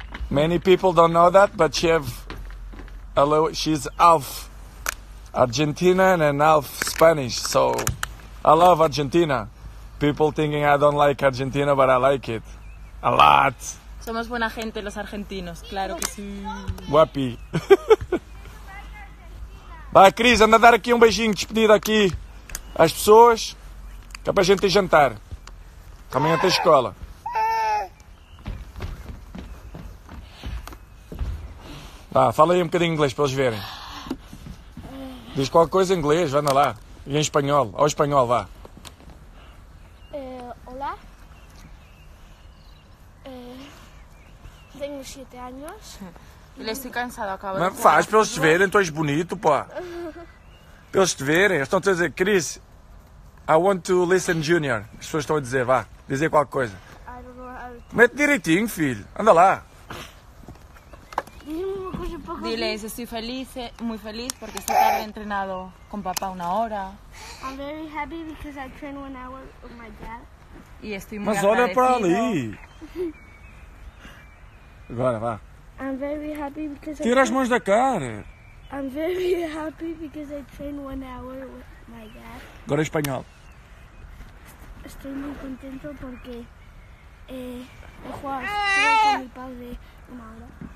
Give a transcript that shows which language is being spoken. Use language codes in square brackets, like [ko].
[en] Many people don't know that, but she's half Argentinian and half Spanish. So I love Argentina. People thinking I don't like Argentina, but I like it a lot. [es] Somos buena gente los argentinos, claro que sí. Guapi. [pt] Vai, Cris, anda a dar aqui um beijinho de despedida aqui às pessoas, que é para a gente jantar. Amanhã tem escola. Vá, fala aí um bocadinho de inglês para eles verem. Diz qualquer coisa em inglês, vá lá. E em espanhol. Ao espanhol, vá. Olá. Tenho 7 anos. Ele está cansado, acaba. Mas faz para eles te verem, tu és bonito, pá. Para eles te verem. Eles estão a dizer, Cris, [en] I want to listen, Junior. [pt] As pessoas estão a dizer, vá. Dizer qualquer coisa. Mete direitinho, filho. Anda lá. Diz-me uma coisa para [es] diles, estoy feliz, muy feliz porque esta tarde he entrenado con papá una hora. [en] I'm very happy because I trained 1 hour with my dad. [es] Y estoy muy agradecido. [pt] Mas olha para ali. Agora, vá. [en] I'm very happy because [pt] tira as mãos da cara. [en] I'm very happy because I trained 1 hour with my dad. [pt] Agora em espanhol. [es] Estoy muy contento porque he jugado con mi padre una hora.